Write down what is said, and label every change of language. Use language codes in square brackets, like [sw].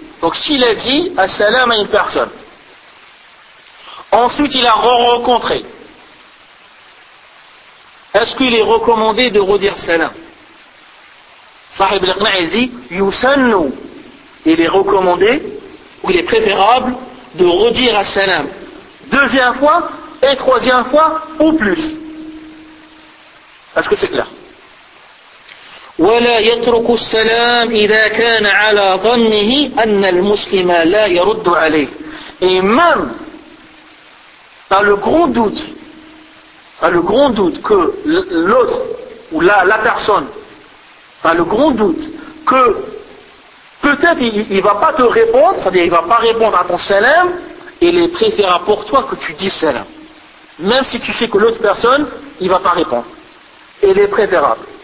[fr] Donc s'il a dit assalam à une personne, ensuite il a re-rencontré, est-ce qu'il est recommandé de redire salam? Sahib al-Iqna' il dit [ar] يُسَنُّ, [fr] il est recommandé ou il est préférable de redire assalam deuxième fois et troisième fois ou plus. Est-ce que c'est clair? [ar] ولا يترك السلام إذا كان على ظنه أن المسلم لا يرد عليه. [fr] Et même dans le grand doute, dans le grand doute que l'autre ou la personne, dans le grand doute que peut-être il va pas te répondre, c'est-à-dire il va pas répondre à ton salam, il est préférable pour toi que tu dis salam, même si tu sais que l'autre personne il va pas répondre, il est préférable.